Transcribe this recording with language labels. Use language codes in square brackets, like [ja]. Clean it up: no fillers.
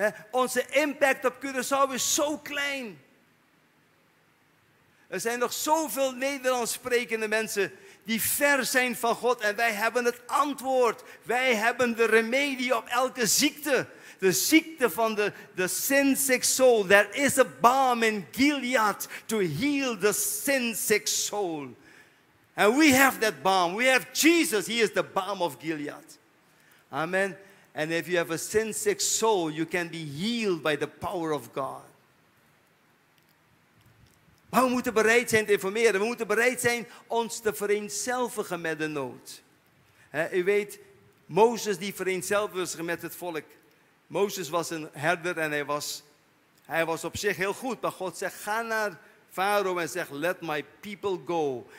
[nl] Onze impact op Curaçao is zo klein. Er zijn nog zoveel Nederlands sprekende mensen die ver zijn van God. En wij hebben het antwoord. Wij hebben de remedie op elke ziekte. De ziekte van de sin sick soul. [en] There is a balm in Gilead to heal the sin sick soul. And we have that balm. We have Jesus. He is the balm of Gilead. Amen. And if you have a sin sick soul, you can be healed by the power of God. [nl] Maar we moeten bereid zijn te informeren. We moeten bereid zijn ons te vereenzelvigen met de nood. U weet, Mozes die vereenzelvigde zich met het volk. Mozes was een herder en hij was op zich heel goed. Maar God zegt, ga naar Farao en zegt, [en] let my people go.